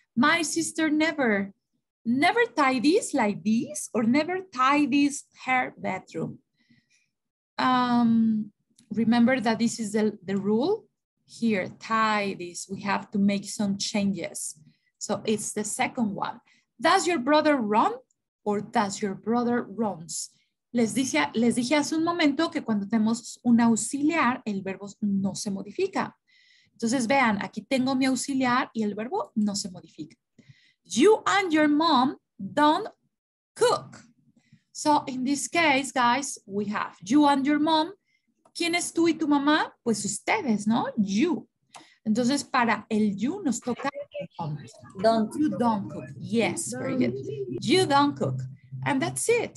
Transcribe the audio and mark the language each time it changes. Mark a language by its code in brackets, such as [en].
[en] My sister never tie this like this or never tie this her bedroom. Remember that this is the rule here, tie this. We have to make some changes. So it's the second one. Does your brother run or does your brother runs? [es] Les dije hace un momento que cuando tenemos un auxiliar, el verbo no se modifica. Entonces vean, aquí tengo mi auxiliar y el verbo no se modifica. [en] You and your mom don't cook. So in this case, guys, we have you and your mom. [es] ¿Quién es tú y tu mamá? Pues ustedes, ¿no? [en] You. [es] Entonces para el [en] you [es] nos toca [en] Don't. You don't cook. Yes, very good. You don't cook. And that's it.